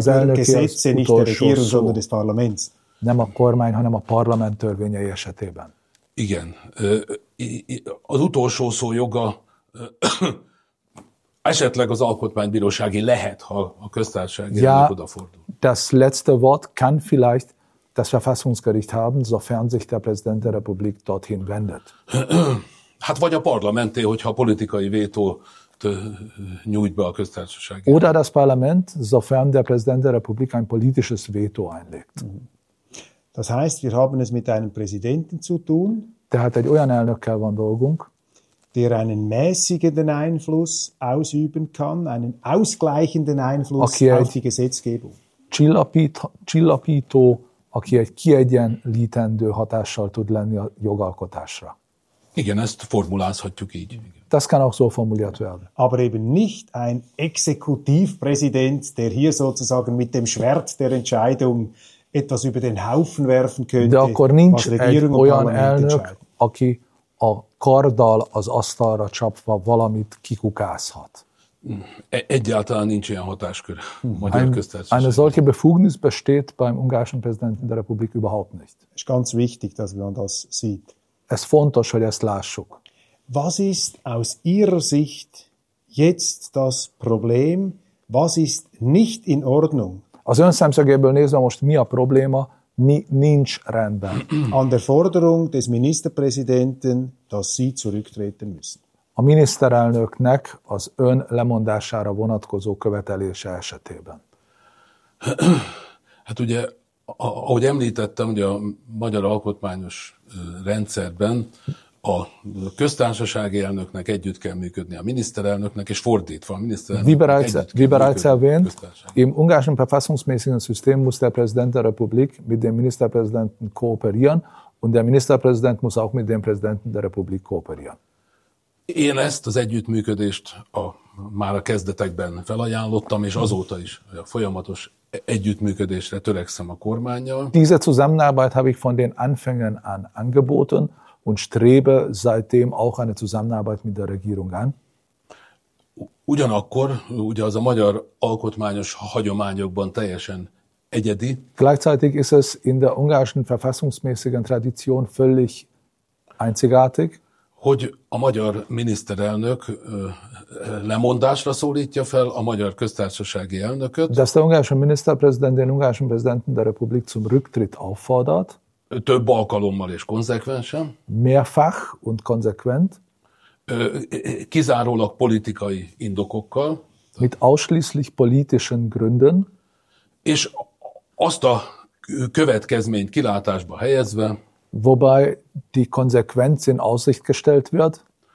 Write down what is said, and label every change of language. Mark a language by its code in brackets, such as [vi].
[de] Gesetze, nicht der Regierung, sondern des Parlaments. [hu] Nem a kormány, hanem a parlament törvényei esetében. Igen. Az utolsó szó joga esetleg az alkotmánybírósági lehet, ha a köztársaság odafordul. Das letzte Wort kann vielleicht das Verfassungsgericht haben, sofern sich der Präsident der Republik dorthin wendet. Hát vagy a parlamenté, hogyha a politikai vétót nyújt be a köztársaság. Oder das Parlament, sofern der Präsident der Republik ein politisches Veto einlegt. [de] Das heißt, wir haben es mit einem Präsidenten zu tun, [hu] tehát egy olyan elnökkel van dolgunk, [de] der einen mäßigenden Einfluss ausüben kann, einen ausgleichenden Einfluss auf die Gesetzgebung. [hu] Csillapító, aki egy kiegyenlítendő hatással tud lenni a jogalkotásra. Igen, ezt formulázhatjuk így. [de] Das kann auch so formuliert werden. Aber eben nicht ein Exekutivpräsident, der hier sozusagen mit dem Schwert der Entscheidung etwas über den Haufen werfen könnte, was Regierung und Parlament entscheiden. [hu] De akkor nincs egy olyan elnök, aki a karddal az asztalra csapva valamit kikukázhat. Egyáltalán nincs ilyen hatáskör magyar köztársaság. [de] Eine solche Befugnis besteht beim ungarischen Präsidenten der Republik überhaupt nicht. Ist ganz wichtig, dass man das sieht. [hu] Es fontos, hogy ezt lássuk. [de] Was ist aus Ihrer Sicht jetzt das Problem? Was ist nicht in Ordnung? [hu] Az ön szemszögéből nézve most mi a probléma? Mi nincs rendben? [de] An der Forderung des Ministerpräsidenten, dass Sie zurücktreten müssen. [hu] A miniszterelnöknek az ön lemondására vonatkozó követelése esetében. Hát ugye, ahogy említettem, ugye a magyar alkotmányos rendszerben a köztársasági elnöknek együtt kell működni a miniszterelnöknek, és fordítva a miniszterelnöknek [de] Wie bereits erwähnt, im ungarischen verfassungsmäßigen System muss der Präsident der Republik mit dem Ministerpräsidenten kooperieren, und der Ministerpräsident muss auch mit dem Präsidenten der Republik kooperieren. [hu] Én ezt az együttműködést már a kezdetekben felajánlottam, és azóta is a folyamatos együttműködésre törekszem a kormánnyal. [de] Diese Zusammenarbeit habe ich von den Anfängen an angeboten und strebe seitdem auch eine Zusammenarbeit mit der Regierung an. [hu] Ugyanakkor, ugye az a magyar alkotmányos hagyományokban teljesen egyedi. [de] Gleichzeitig ist es in der ungarischen verfassungsmäßigen Tradition völlig einzigartig, [hu] hogy a magyar miniszterelnök lemondásra szólítja fel a magyar köztársasági elnököt. [de] Dass der ungarische Ministerpräsident den ungarischen Präsidenten der Republik zum Rücktritt auffordert. [hu] Több alkalommal és konzekvensen. [de] Mehrfach und konsequent. [hu] Kizárólag politikai indokokkal. [de] Mit ausschließlich politischen Gründen. [hu] És azt a következményt kilátásba helyezve, [de] wobei die Konsequenz in Aussicht gestellt wird,